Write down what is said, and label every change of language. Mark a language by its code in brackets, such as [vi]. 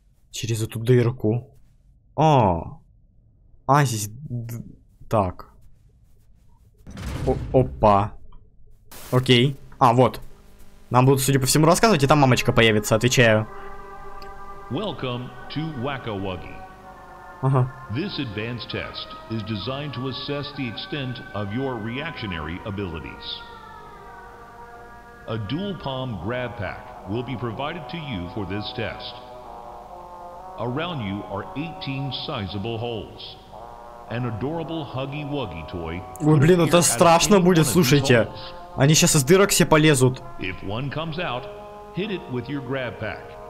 [ru] Через эту дырку. А здесь... Так. Опа. Окей. А, вот. Нам будут, судя по всему, рассказывать, и там мамочка появится, отвечаю. [en] Welcome to Wag-O-Wuggy. Ага. This advanced test is designed to assess the extent of your reactionary abilities. A dual palm grab pack will be provided to you for this test. Around you are 18 sizable holes. An adorable Huggy-Wuggy toy. [ru] Ой, блин, это страшно будет, слушайте. Они сейчас из дырок все полезут. [en] If one comes out, hit it with your grab pack.